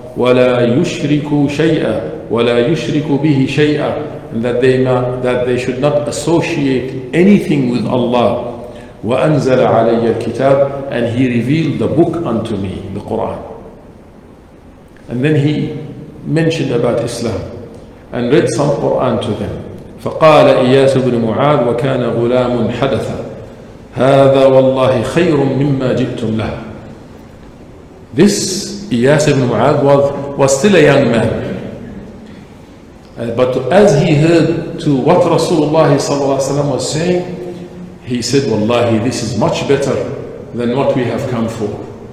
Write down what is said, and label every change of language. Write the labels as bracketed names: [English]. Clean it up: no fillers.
[Arabic] ولا يشركوا شيئا, ولا يشركوا به شيئا, [English] and that they not, that they should not associate anything with Allah. [Arabic] وأنزل علي الكتاب, [English] and he revealed the book unto me, the Quran. And then he mentioned about Islam and read some Quran to them. [Arabic] فقال إياس بن معاذ وكان غلام حدثا هذا والله خير مما جئتم له. [English] This Iyas ibn Mu'adh was still a young man. But as he heard to what Rasulullah was saying, he said, wallahi, this is much better than what we have come for.